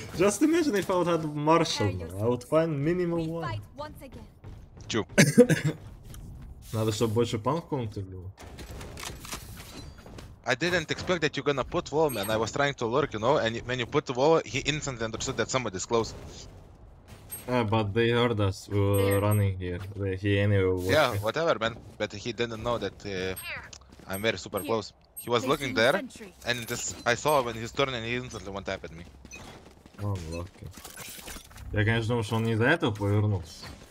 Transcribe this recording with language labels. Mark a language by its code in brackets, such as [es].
[en] Just imagine if I would have Marshall now. I would find minimum one. Two. [ru] Надо, чтобы больше панков было. [en] I didn't expect that you're gonna put wall, man. I was trying to lurk, you know, and when you put wall, he instantly understood that somebody's close. But they heard us. We were running here. He anyway was. Yeah, whatever, man. But he didn't know that I'm very super close. He was looking there, and just I saw when he's turning, and he instantly went tap at me. [ru] Он ловкий. Я, конечно, думал, что он не из-за этого повернулся.